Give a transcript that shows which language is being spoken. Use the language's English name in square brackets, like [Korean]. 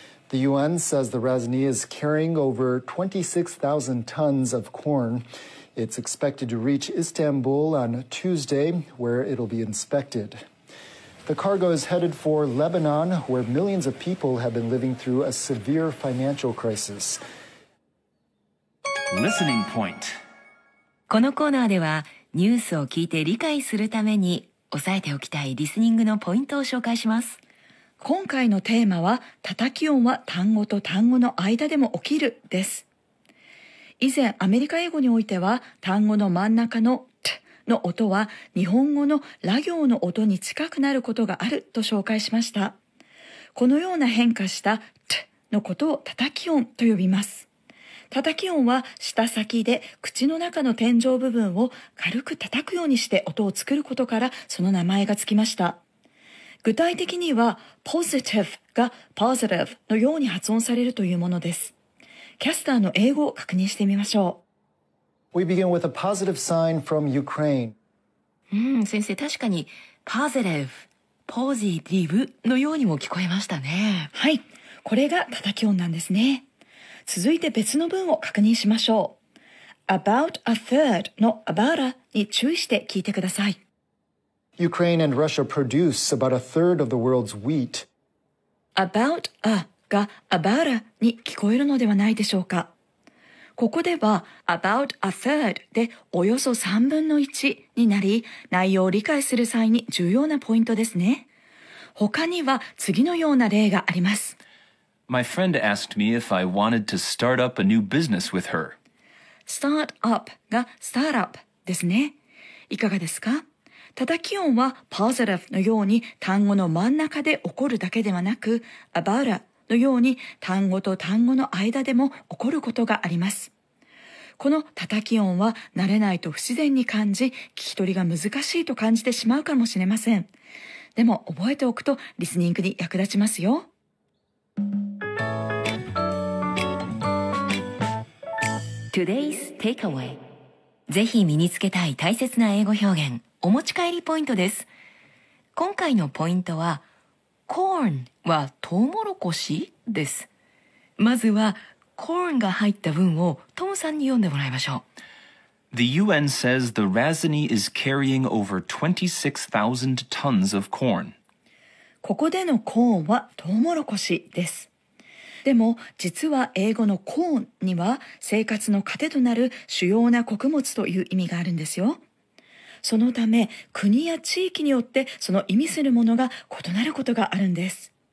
[English] The UN says the Razni is carrying over 26,000 tons of corn. It's expected to reach Istanbul on Tuesday, where it'll be inspected. The cargo is headed for Lebanon, where millions of people have been living through a severe financial crisis. Listening point. [Japanese] このコーナーでは、ニュースを聞いて理解するために、押さえておきたいリスニングのポイントを紹介します。今回のテーマは、叩き音は単語と単語の間でも起きるです。以前アメリカ英語においては単語の真ん中の t の音は日本語のラ行の音に近くなることがあると紹介しました。このような変化したTのことを叩き音と呼びます。叩き音は舌先で口の中の天井部分を軽く叩くようにして音を作ることからその名前がつきました。具体的にはPositiveがPositiveのように発音されるというものです。キャスターの英語を確認してみましょう。 [English] We begin with a positive sign from Ukraine. [Japanese] 先生、確かにPositive、Positiveのようにも聞こえましたね。はい、これが叩き音なんですね。続いて別の文を確認しましょう。 [English] About a third [Japanese] の about a に注意して聞いてください。 [English] Ukraine and Russia produce about a third of the world's wheat. About a [Japanese] が about a に聞こえるのではないでしょうか。ここでは [English] about a third [Japanese] でおよそ3分の1になり、内容を理解する際に重要なポイントですね。他には次のような例があります。 [English] My friend asked me if I wanted to start up a new business with her. Start up [Japanese] が start up ですね。いかがですか？叩き音は positive のように単語の真ん中で起こるだけではなく、 [English] about a [Japanese] のように単語と単語の間でも起こることがあります。この叩き音は慣れないと不自然に感じ、聞き取りが難しいと感じてしまうかもしれません。でも覚えておくとリスニングに役立ちますよ。 [English] Today's takeaway。 [Japanese] ぜひ身につけたい大切な英語表現、お持ち帰りポイントです。今回のポイントは、 corn はトウモロコシです。まずは corn が入った文をトムさんに読んでもらいましょう。 [English] The UN says the RASNI is carrying over 26,000 tons of corn。 [Japanese] ここでの corn はトウモロコシです。でも実は英語の corn には生活の糧となる主要な穀物という意味があるんですよ。そのため国や地域によってその意味するものが異なることがあるんです。